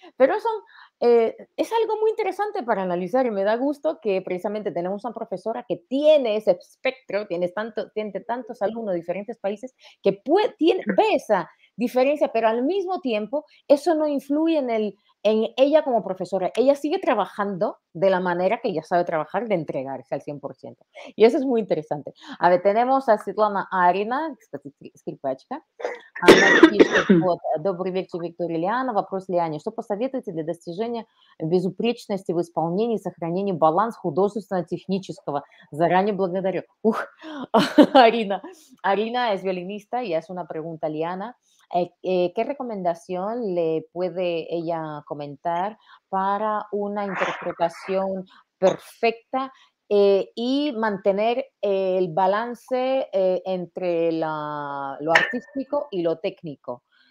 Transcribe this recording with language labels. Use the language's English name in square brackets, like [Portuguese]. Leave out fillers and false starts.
[Spanish] Pero es algo muy interesante para analizar y me da gusto que precisamente tenemos una profesora que tiene ese espectro, tiene tantos alumnos de diferentes países, que ve esa diferencia, pero al mismo tiempo eso no influye en ella como profesora. Ella sigue trabajando de la manera que ella sabe trabajar, de entregarse al 100%. Y eso es muy interesante. A ver, tenemos a Svetlana Арина, скрипачка. [Russian] Она пишет, вот, добрый вечер, Виктория Ильяна. Вопрос Лиане. Что посоветуете для достижения безупречности в исполнении и сохранении баланса художественно-технического? Заранее благодарю. Ух, Арина. [Spanish] Арина es violinista y hace una pregunta, Лиана. ¿Qué recomendación le puede ella comentar para una interpretación perfecta y mantener el balance entre lo artístico y lo técnico?